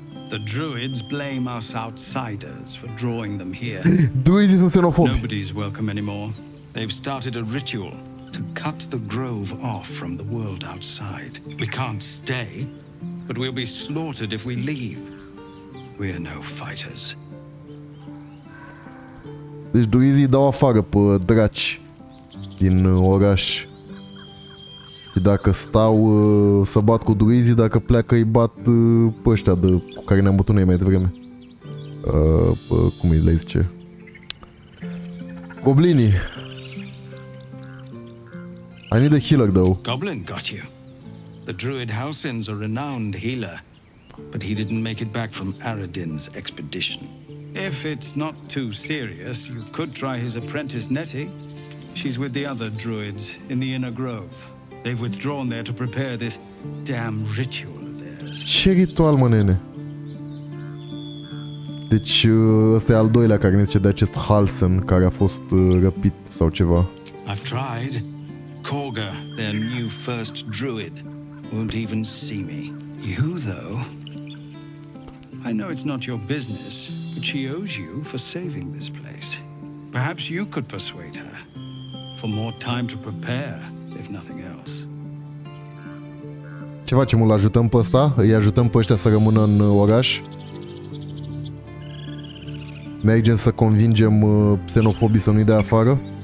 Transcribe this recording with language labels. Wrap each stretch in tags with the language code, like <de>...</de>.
<en>The druids blame us outsiders for drawing them here.</en> <ro>Druids sunt xenofobi.</ro> <en>Nobody's welcome anymore. They've started a ritual to cut the grove off from the world outside. We can't stay, but we'll be slaughtered if we leave. We're no fighters.</en> <ro>Deci druizii dau afară pe draci din oraș. Și dacă stau să bat cu druizii, dacă pleacă îi bat pe ăștia de, cu care ne-am bătut noi mai devreme. Cum îi le zice? Goblinii.</ro> <en>I need a healer, though. Goblin got you. The druid Halcyn's a renowned healer, but he didn't make it back from Aradin's expedition. If it's not too serious, you could try his apprentice, Nettie. She's with the other druids in the inner grove. They've withdrawn there to prepare this damn ritual of theirs.</en> <ro>Ce ritual, mă nene? Deci ăsta e al doilea care ne zice de acest Halcyn care a fost răpit sau ceva.</ro> <en>I've tried. Corga, their new first druid, won't even see me. You, though, I know it's not your business, but she owes you for saving this place. Perhaps you could persuade her for more time to prepare, if nothing else.</en> <ro>Ce facem? Îl ajutăm pe ăsta? Îi ajutăm pe ăștia să rămână în oraș? Mergem să convingem xenofobii să nu-i dea afară?</ro>